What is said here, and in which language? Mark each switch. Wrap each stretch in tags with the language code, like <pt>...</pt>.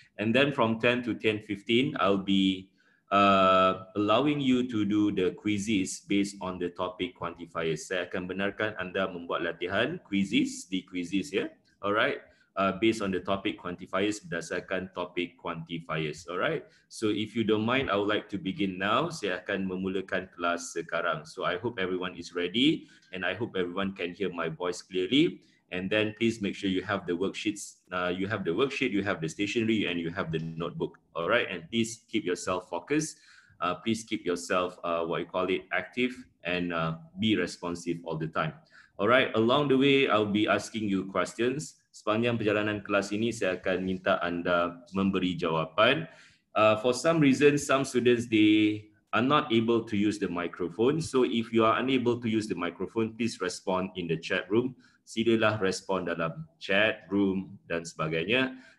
<en>And then from 10 to 10:15, I'll be allowing you to do the quizzes based on the topic quantifiers.</en> <ms>Saya akan benarkan anda membuat latihan quizzes,</ms> <en>the quizzes</en> <ms>ya. Yeah?</ms> <en>Alright, based on the topic quantifiers,</en> <ms>berdasarkan topic quantifiers.</ms> <en>Alright, so if you don't mind, I would like to begin now.</en> <ms>Saya akan memulakan kelas sekarang.</ms> <en>So I hope everyone is ready and I hope everyone can hear my voice clearly. And then please make sure you have the worksheets. You have the worksheet, you have the stationery, and you have the notebook. All right, and please keep yourself focused. Please keep yourself, what you call it, active and be responsive all the time. All right, along the way, I'll be asking you questions.</en> <ms>Sepanjang perjalanan kelas ini, saya akan minta anda memberi jawapan.</ms> <en>For some reason, some students, they are not able to use the microphone. So if you are unable to use the microphone, please respond in the chat room.</en> <ms>Silalah respon dalam chat room dan sebagainya.</ms>